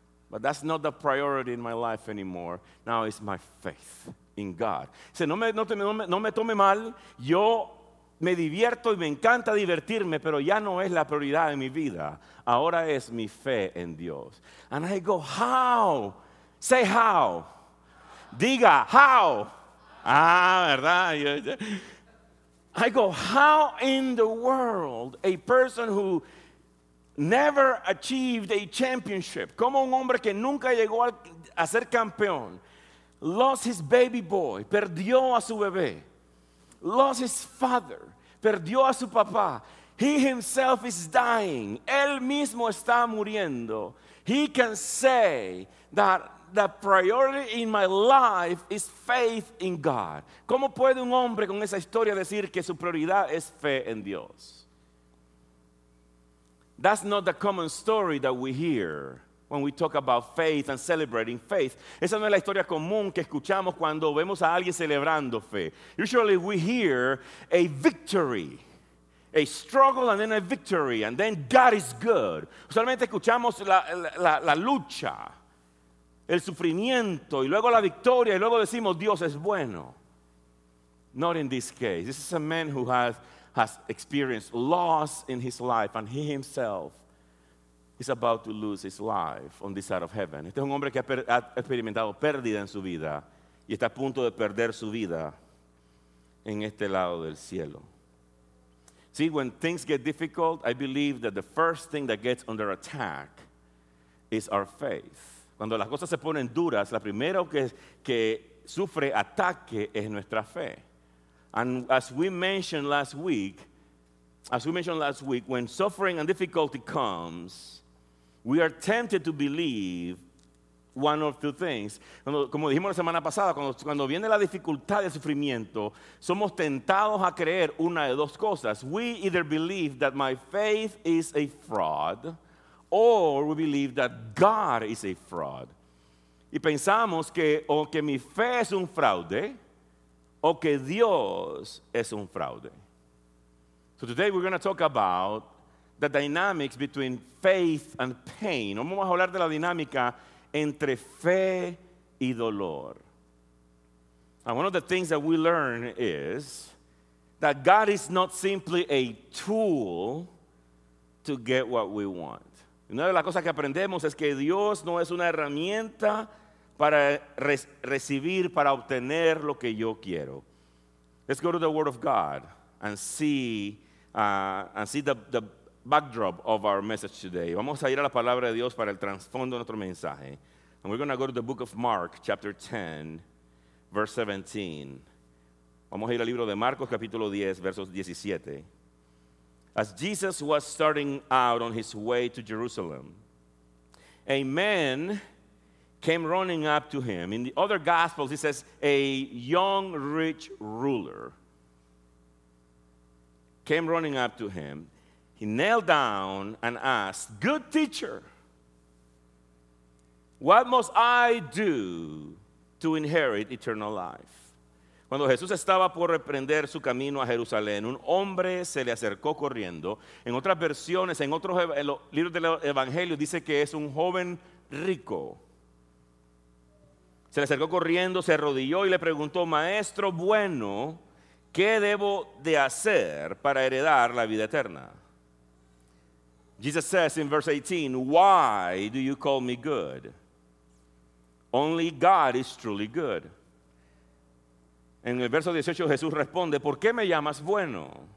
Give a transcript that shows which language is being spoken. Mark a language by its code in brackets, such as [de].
[en] But that's not the priority in my life anymore. Now it's my faith in God. [es] Dice, no me tome mal. Yo me divierto y me encanta divertirme, pero ya no es la prioridad de mi vida. Ahora es mi fe en Dios. [en] And I go, how? Say how. [es] Diga, how. Ah, verdad. [en] I go, how in the world a person who never achieved a championship, [es] como un hombre que nunca llegó a ser campeón, [en] lost his baby boy, [es] perdió a su bebé, [en] lost his father, [es] perdió a su papá, [en] he himself is dying, [es] él mismo está muriendo, [en] he can say that the priority in my life is faith in God. [es] ¿Cómo puede un hombre con esa historia decir que su prioridad es fe en Dios? [en] That's not the common story that we hear when we talk about faith and celebrating faith. [es] Esa no es la historia común que escuchamos cuando vemos a alguien celebrando fe. [en] Usually we hear a victory. A struggle and then a victory. And then God is good. [es] Usualmente escuchamos la lucha, el sufrimiento, y luego la victoria, y luego decimos, Dios es bueno. [en] Not in this case. This is a man who has experienced loss in his life, and he himself is about to lose his life on this side of heaven. [es] Este es un hombre que ha experimentado pérdida en su vida, y está a punto de perder su vida en este lado del cielo. [en] See, when things get difficult, I believe that the first thing that gets under attack is our faith. [es] Cuando las cosas se ponen duras, la primera que sufre ataque es nuestra fe. [en] And as we mentioned last week, when suffering and difficulty comes, we are tempted to believe one of two things. [es] Como dijimos la semana pasada, cuando viene la dificultad y el sufrimiento, somos tentados a creer una de dos cosas. [en] We either believe that my faith is a fraud, or we believe that God is a fraud. [es] Y pensamos que o que mi fe es un fraude o que Dios es un fraude. [en] So today we're going to talk about the dynamics between faith and pain. [es] Vamos a hablar de la dinámica entre fe y dolor. [en] And one of the things that we learn is that God is not simply a tool to get what we want. [es] Una de las cosas que aprendemos es que Dios no es una herramienta para recibir, para obtener lo que yo quiero. [en] Let's go to the Word of God and see the backdrop of our message today. [es] Vamos a ir a la palabra de Dios para el trasfondo de nuestro mensaje. [en] And we're going to go to the book of Mark, chapter 10, verse 17. [es] Vamos a ir al libro de Marcos, capítulo 10, versos 17. [en] As Jesus was starting out on his way to Jerusalem, a man came running up to him. In the other Gospels, it says, a young rich ruler came running up to him. He knelt down and asked, "Good teacher, what must I do to inherit eternal life?" [es] Cuando Jesús estaba por reprender su camino a Jerusalén, un hombre se le acercó corriendo. En otras versiones, en otros libros del Evangelio, dice que es un joven rico. Se le acercó corriendo, se arrodilló y le preguntó, "Maestro bueno, ¿qué debo de hacer para heredar la vida eterna?" [en] Jesus says in verse 18, "Why do you call me good? Only God is truly good." [es] En el verso 18 Jesús responde, "¿Por qué me llamas bueno?